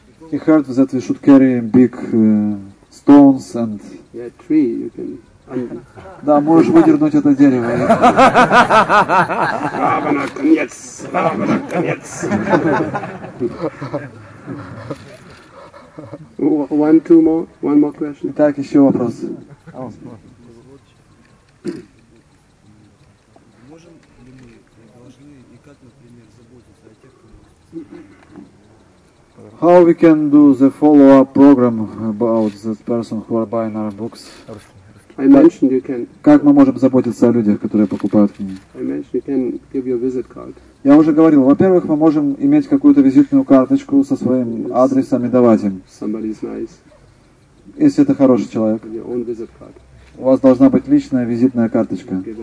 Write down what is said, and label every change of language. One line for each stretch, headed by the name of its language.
English: He heard that we should carry big stones and. Yeah, tree. You can.
Russian: Да, можешь выдернуть это дерево. Равана, конец! Равана, конец!
English: One, two more, one more question.
Russian: Итак, еще вопрос. Можем ли мы, должны и как, например, заботиться о тех, кто...
English: How we can do the follow-up program about the person who are buying our books?
Russian: Как мы можем заботиться о людях, которые покупают книги? Я уже говорил, во-первых, мы можем иметь какую-то визитную карточку со своим адресом и давать им. Если это хороший человек. У вас должна быть личная визитная карточка.